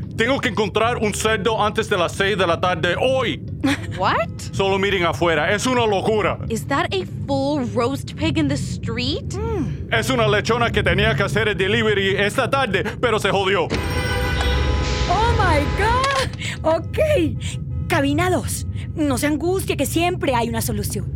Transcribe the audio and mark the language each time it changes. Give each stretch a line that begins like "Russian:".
Spanish: Tengo que encontrar un cerdo antes de las 6 de la tarde hoy.
English: What?
Spanish: Solo miren afuera. Es una locura.
English: Is that a full roast pig in the street?
Spanish: Es una lechona que tenía que hacer el delivery esta tarde, pero se jodió.
English: Oh, my God. Ok.
Spanish: Cabina 2. No se angustie, que siempre hay una solución.